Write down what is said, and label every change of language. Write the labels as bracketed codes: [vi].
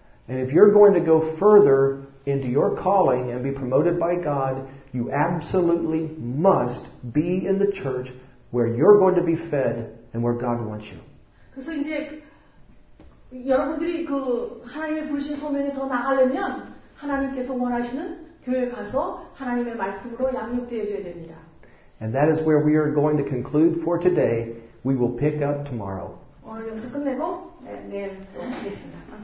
[en] And if you're going to go further into your calling and be promoted by God, you absolutely must be in the church where you're going to be fed and where God wants you. [ko] 그래서 이제 여러분들이 그 하나님의 부르신 소명에 더 나가려면 하나님께서 원하시는 교회에 가서 하나님의 말씀으로 양육되어져야 됩니다. [en] And that is where we are going to conclude for today. We will pick up tomorrow. [ko] 오늘 여기서 끝내고 내일 또 하겠습니다.